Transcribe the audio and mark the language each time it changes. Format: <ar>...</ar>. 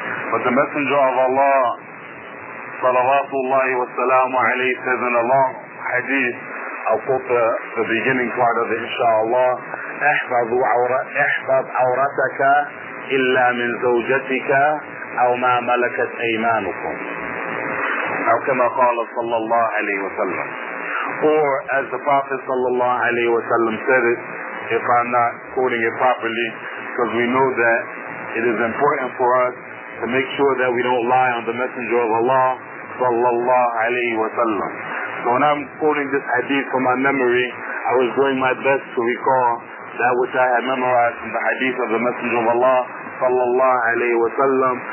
<en>But the Messenger of Allah, salawatullahi wa salamu alayhi, says in a long hadith, I'll quote the beginning part of it, inshaAllah,</en> <ar>احفظ عورتك إلا من زوجتك أو ما ملكت أيمانكم. أو كما قال صلى الله عليه وسلم.</ar> <en>Or as the Prophet sallallahu alayhi wa sallam said it, if I'm not quoting it properly, because we know that it is important for us to make sure that we don't lie on the Messenger of Allah sallallahu alayhi wa sallam. So when I'm quoting this hadith from my memory, I was doing my best to recall that which I had memorized from the hadith of the Messenger of Allah sallallahu alayhi wa sallam.</en>